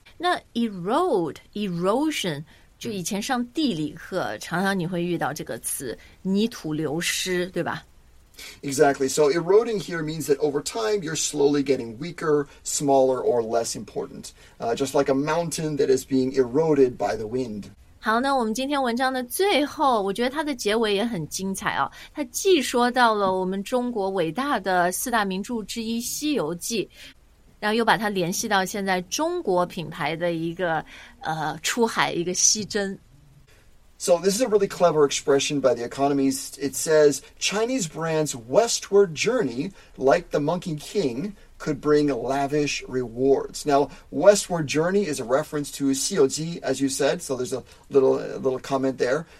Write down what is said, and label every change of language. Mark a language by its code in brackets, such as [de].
[zh] 那 erode, erosion, 就以前上地理课常常你会遇到这个词泥土流失对吧 [en] Exactly. So eroding here means that over time, you're slowly getting weaker, smaller, or less important. Just like a mountain that is being eroded by the wind. [zh] 好，那我们今天文章的最后，我觉得它的结尾也很精彩哦。它既说到了我们中国伟大的四大名著之一《西游记》，然后又把它联系到现在中国品牌的一个出海一个西征。 [en] So this is a really clever expression by The Economist. It says, Chinese brands' westward journey, like the Monkey King, could bring lavish rewards. Now, westward journey is a reference to COG, as you said, so there's a little comment there.